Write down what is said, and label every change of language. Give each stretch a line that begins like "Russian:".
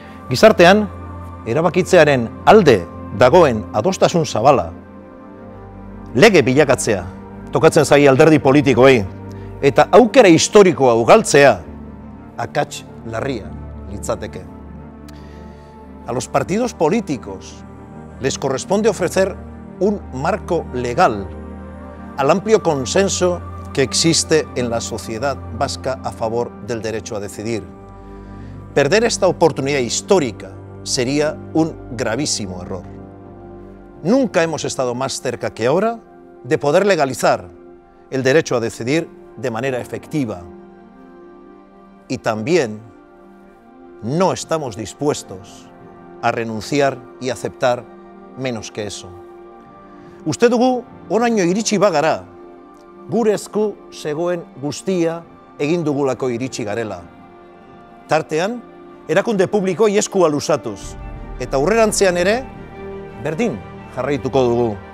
Basque: Gizartean, erabakitzearen alde dagoen adostasun zabala, lege bilakatzea, tokatzen zaie alderdi politikoei, eta aukera historikoa ugaltzea, akats larria litzateke.
Spanish: A los partidos políticos les corresponde ofrecer un marco legal al amplio consenso que existe en la sociedad vasca a favor del derecho a decidir. Perder esta oportunidad histórica sería un gravísimo error. Nunca hemos estado más cerca que ahora de poder legalizar el derecho a decidir de manera efectiva. Y también no estamos dispuestos a renunciar y aceptar menos que eso.
Basque: Uste dugu oraino iritsi bagara, gure esku zegoen guztia egin dugulako iritsi garela. Tartean, erakunde publikoi eskua luzatuz, eta aurrerantzean ere, berdin jarraituko dugu.